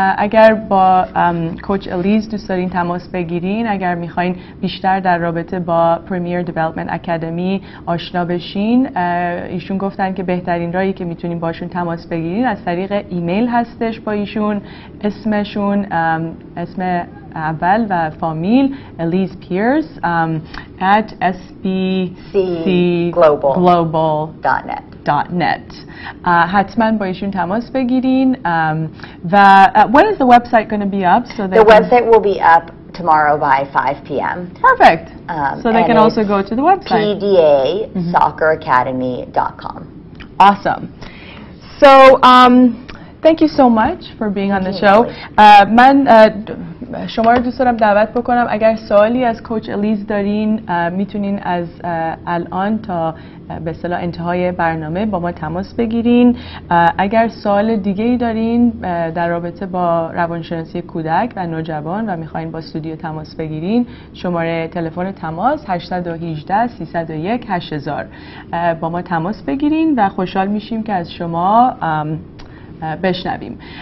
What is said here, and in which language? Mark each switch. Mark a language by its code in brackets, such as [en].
[fa] اگر با کوچ الیز دوست دارین تماس بگیرین، اگر میخواین بیشتر در رابطه با پریمیر دیولپمنت اکادمی آشنا بشین، ایشون گفتن که بهترین راهی که میتونین باشون تماس بگیرین از طریق ایمیل هستش با ایشون. اسمشون اسم اول و فامیل Alyze Pears at sbcglobal.net .net. حتما با ایشون تماس بگیرین. [en] و when is the website going to be up? So the website will be up tomorrow by 5 p.m. Perfect. So they can also go to the website. PDASoccerAcademy.com. Awesome. So thank you so much for being on the show. [fa] شما رو دوست دارم دعوت بکنم اگر سوالی از کوچ الیز دارین میتونین از الان تا به اصطلاح انتهای برنامه با ما تماس بگیرین. اگر سوال دیگه ای دارین در رابطه با روانشناسی کودک و نوجوان و میخواین با استودیو تماس بگیرین، شماره تلفن تماس 818-301-8000 با ما تماس بگیرین و خوشحال میشیم که از شما بشنویم.